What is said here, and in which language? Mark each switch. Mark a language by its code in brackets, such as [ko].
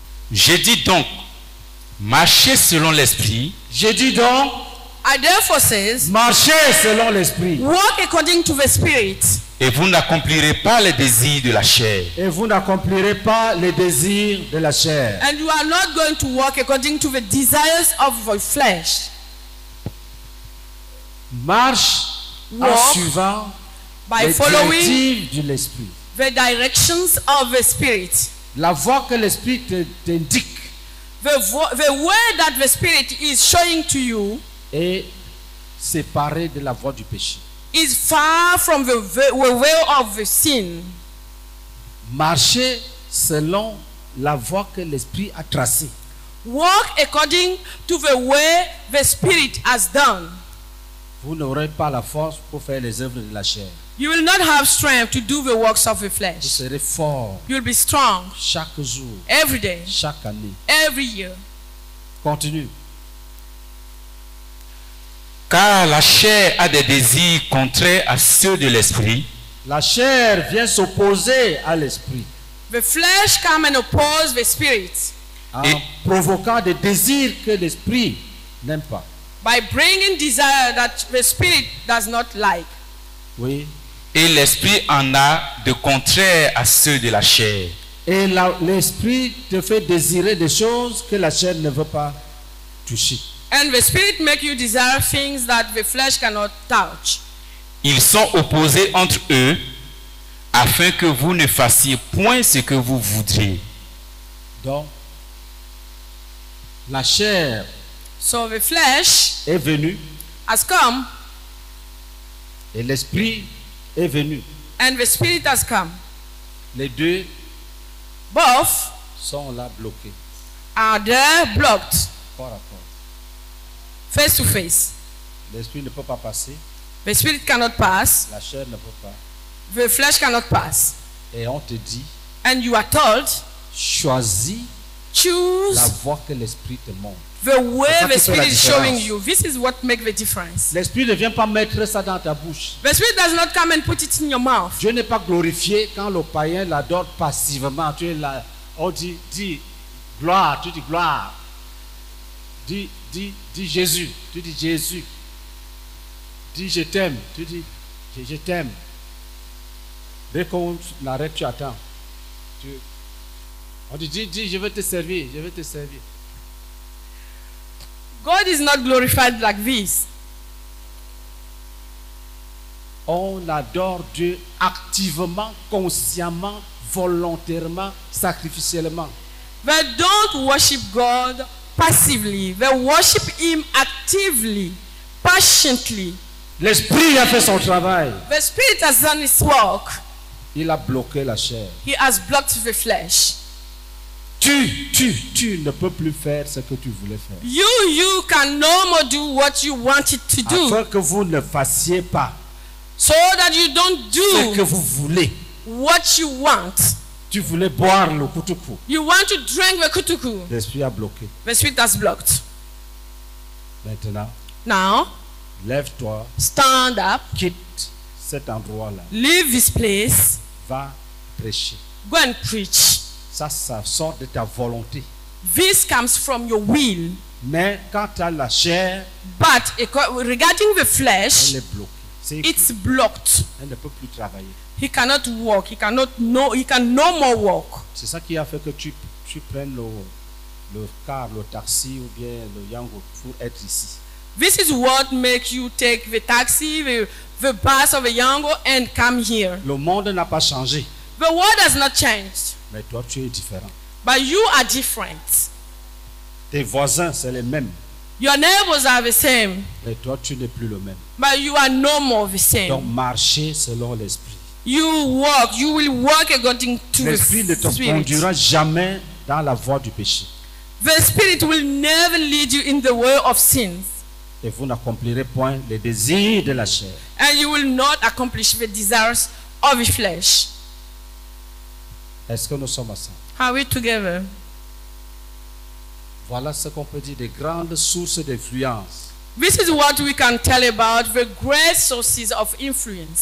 [fr] Je dis donc, Marchez selon l'esprit. Je dis donc, [en] I therefore says, [fr] marchez selon l'esprit. [en] Walk according to the spirit. [fr] Et vous n'accomplirez pas les désirs de la chair. Et vous n'accomplirez pas les désirs de la chair. [en] And you are not going to walk according to the desires of the flesh. [fr] Marche [en] walk [fr] en suivant [en] by [fr] les [en] following [fr] directives de l'esprit. [en] The directions of the spirit. [fr] La voie que l'esprit t'indique. [en] The way that the spirit is showing to you [fr] est séparé de la voie du péché. [en] Is far from the way of the sin. [fr] Marcher selon la voie que l'esprit a tracée. [en] Walk according to the way the spirit has done. [fr] Vous n'aurez pas la force pour faire les œuvres de la chair. [en] You will not have strength to do the works of the flesh. [fr] Vous serez fort. [en] You will be strong. [fr] Chaque jour. [en] Every day. [fr] Chaque année. [en] Every year. [fr] Continue. Car la chair a des désirs contraires à ceux de l'esprit. La chair vient s'opposer à l'esprit. [en] The flesh comes and opposes the spirit. [fr] En provoquant des désirs que l'esprit n'aime pas. [en] By bringing desire that the spirit does not like. [fr] Oui. Et l'esprit en a de contraire à ceux de la chair. Et l'esprit te fait désirer des choses que la chair ne veut pas toucher. [en] And the spirit make you desire things that the flesh cannot touch. [fr] Ils sont opposés entre eux afin que vous ne fassiez point ce que vous voudriez. Donc la chair, [en] so the flesh [fr] est venue, [en] has come. [fr] Et l'esprit est venu. [en] And the spirit has come. [fr] Les deux, [en] both, [fr] sont là bloqués. [en] Are there blocked? [fr] Par rapport. [en] Face to face. [fr] L'esprit ne peut pas passer. [en] The spirit cannot pass. [fr] La chair ne peut pas. [en] The flesh cannot pass. [fr] Et on te dit. [en] And you are told. [fr] Choisis. [en] Choose. [fr] La voie que l'esprit te montre. [en] The way the spirit is showing you, this is what makes the difference. [fr] L'esprit ne vient pas mettre ça dans ta bouche. [en] The spirit does not come and put it in your mouth. [fr] Dieu n'est pas glorifié quand le païen l'adore passivement. Tu es là, on dit gloire, tu dis gloire. Dis Jésus, tu dis Jésus. Dis je t'aime, tu dis je t'aime. Dès qu'on l'arrête, tu attends. On dit dis je veux te servir, je veux te servir. [en] God is not glorified like this. [fr] On adore Dieu activement, consciemment, volontairement, sacrificiellement. [en] They don't worship God passively. They worship Him actively, patiently. [fr] L'esprit a fait son travail. [en] The spirit has done its work. [fr] Il a bloqué la chair. [en] He has blocked the flesh. [fr] Tu ne peux plus faire ce que tu voulais faire. [en] You can no more do what you wanted to do. [fr] Afin que vous ne fassiez pas. [en] So that you don't do. [fr] Ce que vous voulez. [en] What you want. [fr] Tu voulais boire le kutuku. [en] You want to drink the kutuku. [fr] L'esprit a bloqué. [en] The spirit has blocked. [fr] Maintenant. [en] Now. [fr] Lève-toi. [en] Stand up. [fr] Quitte cet endroit-là. [en] Leave this place. [fr] Va prêcher. [en] Go and preach. [fr] Ça sort de ta volonté. [en] This comes from your will. [fr] Mais quant à la chair, [en] but regarding the flesh, [fr] elle est bloquée. [en] It's blocked. [fr] Elle ne peut plus travailler. [en] He cannot walk. He cannot know. He can no more walk. [fr] C'est ça qui a fait que tu prennes le car, le taxi ou bien le yango pour être ici. [en] This is what makes you take the taxi, the bus or the yango and come here. [fr] Le monde n'a pas changé. [en] The world has not changed. [fr] Mais toi, tu es différent. [en] But you are different. [fr] Tes voisins, c'est les mêmes. [en] Your neighbors are the same. [fr] Mais toi, tu n'es plus le même. [en] But you are no more the same. [fr] Donc, marcher selon l'esprit. [en] You walk. You will walk according to the spirit. [fr] L'esprit ne te conduira jamais dans la voie du péché. [en] The spirit will never lead you in the way of sin. [fr] Et vous n'accomplirez point les désirs de la chair. [en] And you will not accomplish the desires of the flesh. [fr] Est-ce que nous sommes ensemble? [en] Are we together? [fr] Voilà ce qu'on peut dire des grandes sources d'influence. [en] This is what we can tell about the great sources of influence.